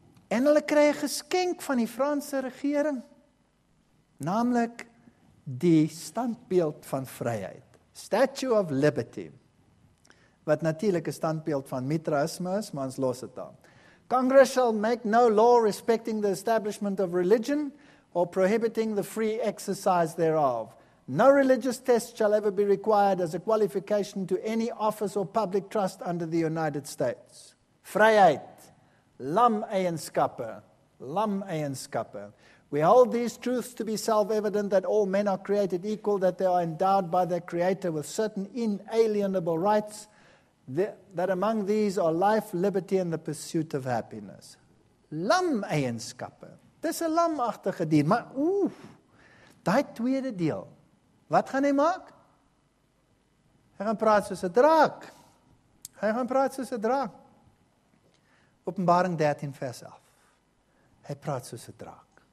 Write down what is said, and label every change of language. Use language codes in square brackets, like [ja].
[af] En hulle kry 'n geskenk van die Franse regering, naamlik die standbeeld van vryheid, Statue of Liberty, wat natuurlik 'n standbeeld van mitraïsme is, maar ons los dit aan. [en] Congress shall make no law respecting the establishment of religion or prohibiting the free exercise thereof. No religious test shall ever be required as a qualification to any office or public trust under the United States. [af] Vryheid, lam-eienskappe. [en] We hold these truths to be self-evident that all men are created equal, that they are endowed by their Creator with certain inalienable rights, that among these are life, liberty and the pursuit of happiness. [af] Lam-eienskappe. Dis 'n lam-agtige dier, maar oef, daai tweede deel, wat gaan hy maak? Hy gaan praat soos 'n draak. Hy gaan praat soos 'n draak. Openbaring 13 vers 11. Hy praat soos 'n draak.